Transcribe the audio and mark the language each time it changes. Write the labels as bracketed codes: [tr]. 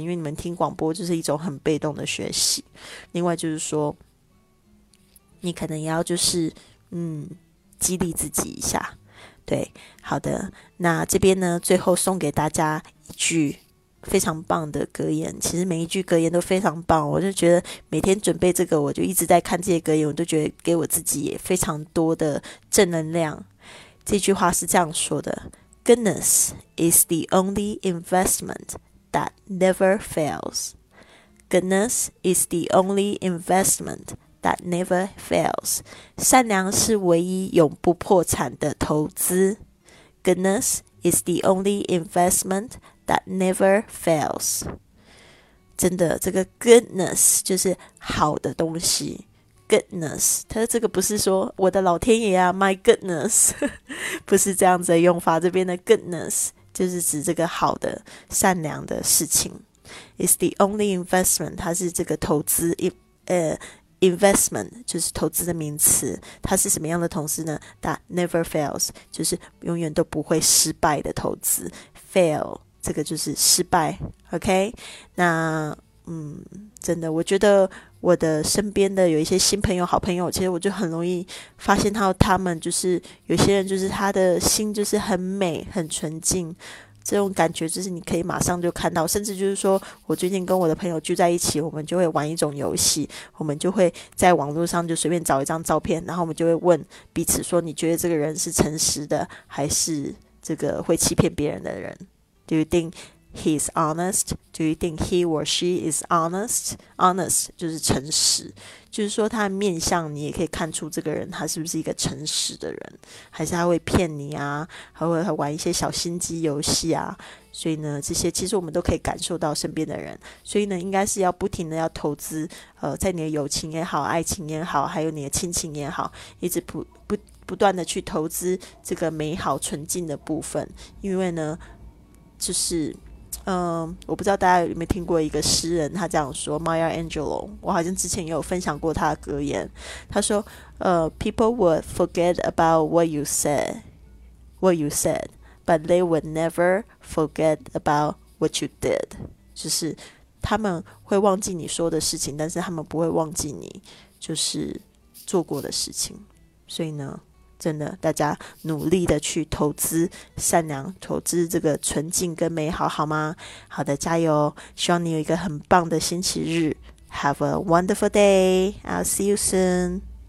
[zh] 因为你们听广播就是一种很被动的学习，另外就是说你可能也要就是激励自己一下。对，好的，那这边呢最后送给大家一句非常棒的格言，其实每一句格言都非常棒，我就觉得每天准备这个，我就一直在看这些格言，我都觉得给我自己也非常多的正能量。这句话是这样说的， [en] Goodness is the only investment that never fails. Goodness is the only investment that never fails. [zh] 善良是唯一永不破产的投资。 [en] Goodness is the only investment that never fails. [zh] 真的，这个 goodness 就是好的东西。 Goodness， 他这个不是说我的老天爷啊 ， [en] My goodness， [zh] 不是这样子的用法。这边的 goodness 就是指这个好的、善良的事情。 [en] It's the only investment， [zh] 它是这个投资，investment 就是投资的名词。它是什么样的投资呢 ？ [en] That never fails， [zh] 就是永远都不会失败的投资。 Fail 这个就是失败。 OK， 那真的，我觉得我的身边的有一些新朋友好朋友，其实我就很容易发现到他们，就是有些人就是他的心就是很美很纯净，这种感觉就是你可以马上就看到。甚至就是说我最近跟我的朋友聚在一起，我们就会玩一种游戏，我们就会在网络上就随便找一张照片，然后我们就会问彼此说，你觉得这个人是诚实的还是这个会欺骗别人的人？ [en] Do you think he's honest? Do you think he or she is honest? [zh] Honest 就是诚实，就是说他的面相你也可以看出这个人他是不是一个诚实的人，还是他会骗你啊，还会玩一些小心机游戏啊。所以呢这些其实我们都可以感受到身边的人，所以呢应该是要不停的要投资在你的友情也好，爱情也好，还有你的亲情也好，一直不断的去投资这个美好纯净的部分。因为呢就是我不知道大家有没有听过一个诗人，他这样说 ，Maya Angelou， 我好像之前也有分享过他的格言。他说， [en] People would forget about what you said, but they would never forget about what you did。 [zh] 就是他们会忘记你说的事情，但是他们不会忘记你就是做过的事情。所以呢，真的大家努力的去投资善良，投资这个纯净跟美好，好吗？好的，加油，希望你有一个很棒的星期日。 [en] Have a wonderful day. I'll see you soon.